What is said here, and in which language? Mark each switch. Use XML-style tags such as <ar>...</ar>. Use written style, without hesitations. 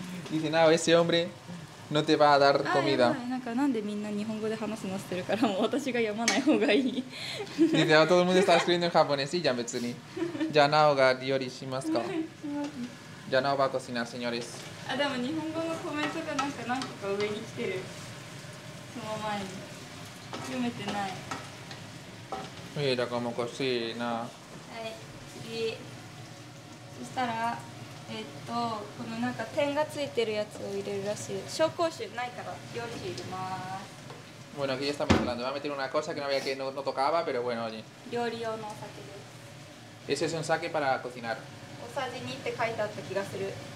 <es>Dice Nao, ese hombre no te va a dar comida.</es> <ja>なんかなんでみんな日本語で話すのしてるからもう私が読まない方がいい。</ja> <es>Dice Nao, todo el mundo está escribiendo en japonés, ya,</es> <ja>別に。じゃあ Nao が料理しますか。</ja> <es>じゃあ Nao va a cocinar, señores.</es> <ja>あ、でも日本語のコメントがなんか何個か上に来てる。その前に。読めてない。いい、だからもうこっちな。はい、次。そしたら、このなんか点がついてるやつを入れるらしい。紹興酒ないから、料理酒入れます。</ja> <es>Bueno, aquí ya estamos hablando. Voy a meter una cosa que no había que no tocaba, pero bueno, oye.</es> <ja>料理用のお酒です。</ja> <es>Ese es un sake para cocinar.</es> <ja>おさじ2って書いてあった気がする。</ja>